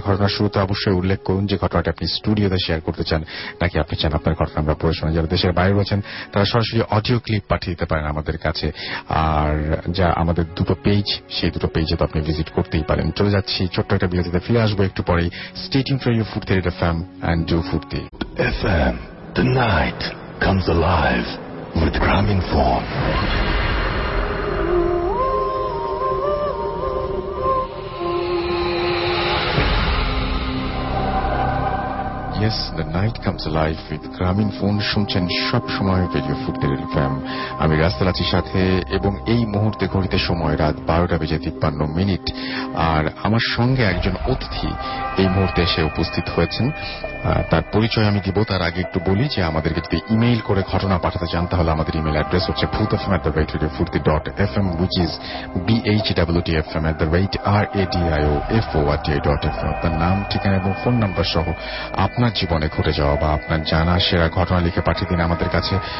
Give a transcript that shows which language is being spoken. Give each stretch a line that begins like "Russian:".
Bangla: ঘটনার শুরুতে অবশ্যই উল্লেখ করুন যে ঘটনাটি আপনি স্টুডিওতে শেয়ার করতে চান নাকি আপনি চান আপনার ঘটনা আমরা পড়ে শোনা, যারা দেশের বাইরে রয়েছেন তারা সরাসরি অডিও ক্লিপ পাঠিয়ে দিতে পারেন আমাদের কাছে, আর যা আমাদের দুটো পেজ সেই দুটো পেজে তো আপনি ভিজিট করতেই পারেন। চলে যাচ্ছি ছোট্ট একটা বিরতিতে, ফিরে আসবো একটু পরেই,
English: Stay tuned for your food theatre fam and do food FM, the night comes alive with Gramophone. Yes, the night comes alive with Gramophone.
Bangla: শুনছেন সব সময় রেডিও ফুটবল FM, আমি রাসেল আছি সাথে, এবং এই মুহূর্তে ঘড়িতে সময় রাত 12:53, আর আমার সঙ্গে একজন অতিথি এই মুহূর্তে এসে উপস্থিত হয়েছেন, তার পরিচয় আমি দিব, তার আগে একটু বলি যে আমাদেরকে যদি ইমেইল করে ঘটনা পাঠাতে চান তাহলে আমাদের ইমেইল অ্যাড্রেস হচ্ছে bhutafm@radiofurti.fm,
English: which is
Bangla: bhutafm@radiofurti.fm, তার নাম ঠিকানা এবং ফোন নাম্বার সহ আপনার জীবনে ঘটে যাওয়া বা আপনার জানা সেরা ঘটনা লিখে পাঠিয়ে দিন আমাদের কাছে।